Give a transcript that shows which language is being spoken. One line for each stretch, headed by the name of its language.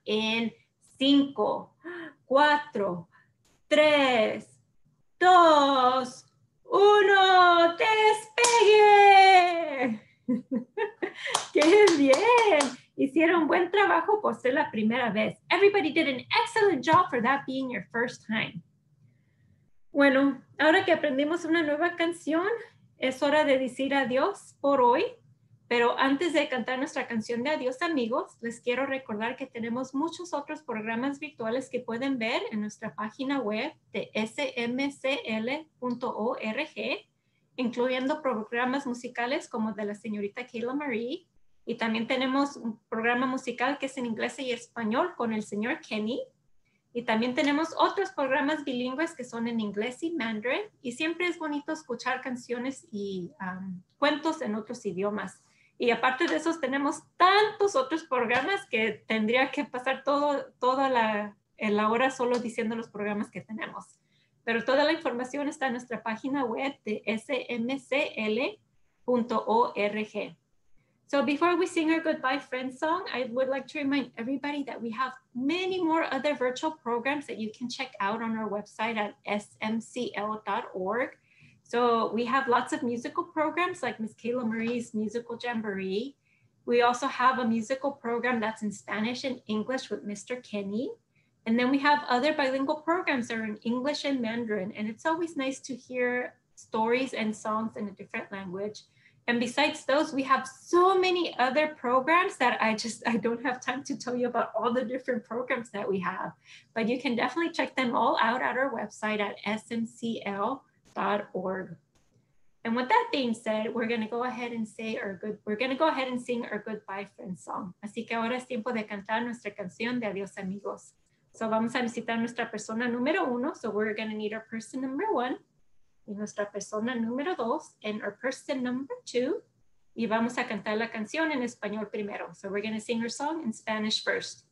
Spanish: En cinco, cuatro, tres, dos, uno, despegue. ¡Qué bien! Hicieron buen trabajo por ser la primera vez.
English: Everybody did an excellent job for that being your first time.
Spanish: Bueno, ahora que aprendimos una nueva canción, es hora de decir adiós por hoy. Pero antes de cantar nuestra canción de adiós, amigos, les quiero recordar que tenemos muchos otros programas virtuales que pueden ver en nuestra página web de smcl.org, incluyendo programas musicales como de la señorita Kayla Marie. Y también tenemos un programa musical que es en inglés y español con el señor Kenny. Y también tenemos otros programas bilingües que son en inglés y mandarin. Y siempre es bonito escuchar canciones y cuentos en otros idiomas. Y aparte de esos, tenemos tantos otros programas que tendría que pasar toda la hora solo diciendo los programas que tenemos. Pero toda la información está en nuestra página web de smcl.org.
English: So before we sing our goodbye friend song, I would like to remind everybody that we have many more other virtual programs that you can check out on our website at smcl.org. So we have lots of musical programs like Miss Kayla Marie's Musical Jamboree. We also have a musical program that's in Spanish and English with Mr. Kenny. And then we have other bilingual programs that are in English and Mandarin. And it's always nice to hear stories and songs in a different language. And besides those, we have so many other programs that I don't have time to tell you about all the different programs that we have. But you can definitely check them all out at our website at smcl.org. And with that being said, we're gonna go ahead and sing our goodbye friend song.
Spanish: Así que ahora es tiempo de cantar nuestra canción de adiós amigos. So vamos a visitar nuestra persona número uno.
English: So we're gonna need our person number one.
Spanish: Y nuestra persona número dos,
English: and our person number two.
Spanish: Y vamos a cantar la canción en español primero.
English: So we're gonna sing her song in Spanish first.